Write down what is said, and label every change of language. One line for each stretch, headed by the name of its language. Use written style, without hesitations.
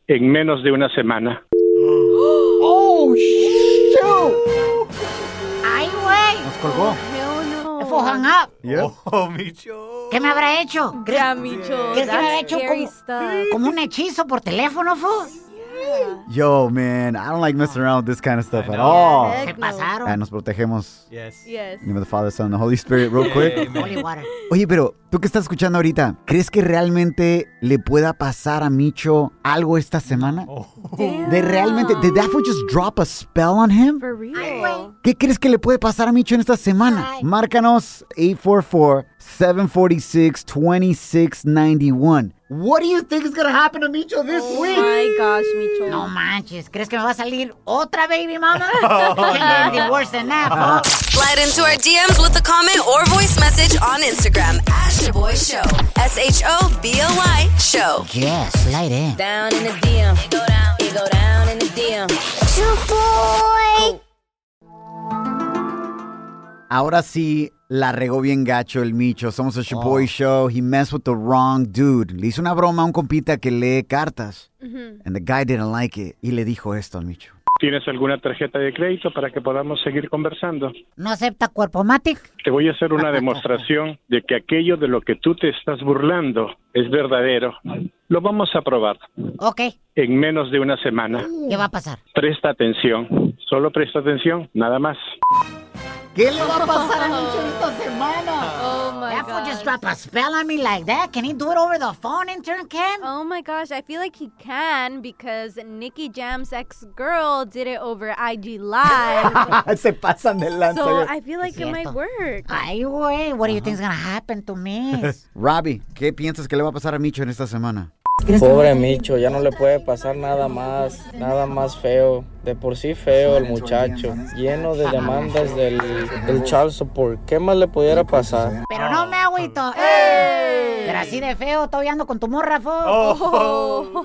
Spanish: En menos de una semana.
English: ¡Oh, shit!
Spanish: ¡Ay, güey! Nos colgó.
English: Hang up. Yeah. Oh, Micho.
Spanish: ¿Qué me habrá hecho?
English: Yeah, Micho.
Spanish: ¿Qué me habrá hecho como un hechizo por teléfono, fool?
English: Yo, man, I don't like messing around with this kind of stuff at all.
Spanish: ¿Qué pasaron? Nos protegemos.
English: Yes. Yes. In the name of the Father, Son, and the Holy Spirit, real quick. Holy water.
Spanish: Oye, pero tú que estás escuchando ahorita, ¿crees que realmente le pueda pasar a Micho algo esta semana?
English: Did that fool just drop a spell on him? For real.
Spanish: ¿Qué crees que le puede pasar a Micho en esta semana? Márcanos 844-746-2691.
English: What do you think is going to happen to Micho this week? Oh, my gosh, Micho.
Spanish: No manches. ¿Crees que me va a salir otra baby mama?
English: Can't get worse than that, huh? Slide into our DMs with a comment or voice message on Instagram. At Shaboy Show. Shaboy Show. Yeah, slide in. Down in the DM. You go down in the DM. Shaboy.
Spanish: Ahora sí, la regó bien gacho el Micho. Somos a Shaboy Show.
English: He messed with the wrong dude. Le hizo una broma a un compita que lee cartas. Mm-hmm. And the guy didn't like it.
Spanish: Y le dijo esto al Micho. ¿Tienes alguna tarjeta de crédito para que podamos seguir conversando? ¿No acepta Cuerpomatic? Te voy a hacer una demostración de que aquello de lo que tú te estás burlando es verdadero. Lo vamos a probar.
English: Ok.
Spanish: En menos de una semana. ¿Qué va a pasar? Presta atención. Solo presta atención, nada más. ¿Qué le va a pasar a Micho esta semana?
English: Oh, my gosh. Apple just dropped a spell on me like that. Can he do it over the phone, intern Ken? Oh, my gosh. I feel like he can because Nicki Jam's ex-girl did it over IG Live.
Spanish: Se pasan de lanza.
English: So I feel like it might work.
Spanish: Ay, güey.
English: What do you think is going to happen to me?
Spanish: Robbie, ¿qué piensas que le va a pasar a Micho en esta semana? Pobre Micho, ya no le puede pasar nada más feo. De por sí feo el muchacho, lleno de demandas del child support. ¿Qué más le pudiera pasar? Pero no me agüito. Pero así de feo, todavía ando con tu morra, fo.